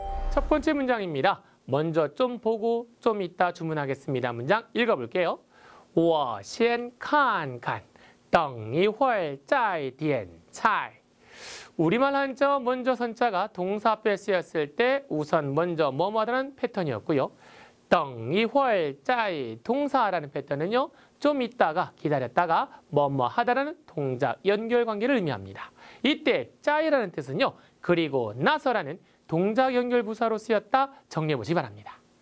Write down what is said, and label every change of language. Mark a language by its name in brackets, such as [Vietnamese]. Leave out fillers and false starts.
[Korean] 첫 번째 문장입니다. 먼저 좀 보고 좀 이따 주문하겠습니다. 문장 읽어볼게요. [Chinese] 我先看看，等一会儿再点菜. [Korean] 우리말 한자 먼저 선자가 동사 앞에 쓰였을 때 우선 먼저 뭐뭐하다는 패턴이었고요. [Chinese] 等一会儿再 [Korean] 동사라는 패턴은요, 좀 있다가, 기다렸다가 뭐뭐하다라는 동작 연결 관계를 의미합니다. 이때 짜이라는 뜻은요, 그리고 나서라는 동작 연결 부사로 쓰였다 정리해 보시기 바랍니다.